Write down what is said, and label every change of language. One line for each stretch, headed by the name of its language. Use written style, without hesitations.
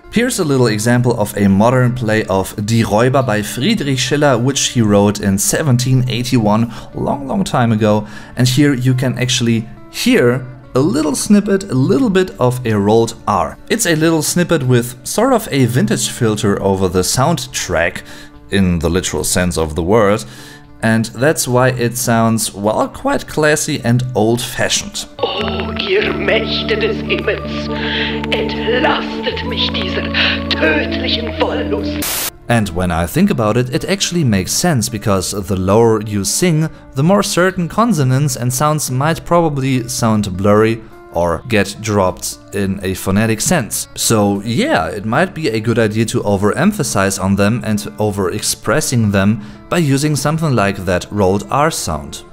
English: Here's a little example of a modern play of Die Räuber by Friedrich Schiller, which he wrote in 1781, long, long time ago, and here you can actually hear a little snippet, a little bit of a rolled R. It's a little snippet with sort of a vintage filter over the soundtrack, in the literal sense of the word, and that's why it sounds, well, quite classy and old-fashioned.
German: Oh, ihr Mächte des Himmels, entlastet mich dieser tödlichen Wollust.
English: And when I think about it, it actually makes sense, because the lower you sing, the more certain consonants and sounds might probably sound blurry or get dropped in a phonetic sense. So yeah, it might be a good idea to overemphasize on them and overexpressing them by using something like that rolled R sound.